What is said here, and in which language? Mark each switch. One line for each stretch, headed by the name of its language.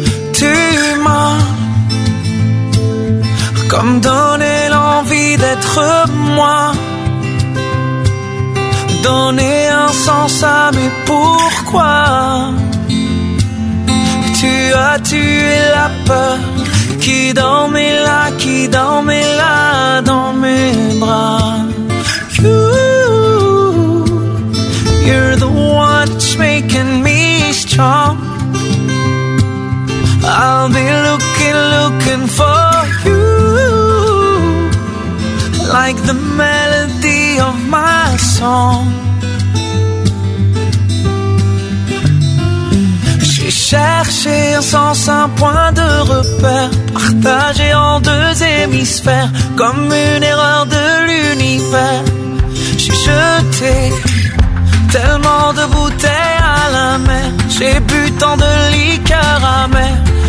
French: Dis-moi, comme donner l'envie d'être moi. Donner un sens à mes pourquoi. Tu as tué la peur qui dormait là, qui dormait là dans mes bras.
English: You, you're the one that's making me strong. I'll be looking, looking for you, like the melody of my song.
French: Chercher un sens, un point de repère, partagé en deux hémisphères, comme une erreur de l'univers. J'ai jeté tellement de bouteilles à la mer, j'ai bu tant de liqueurs amères,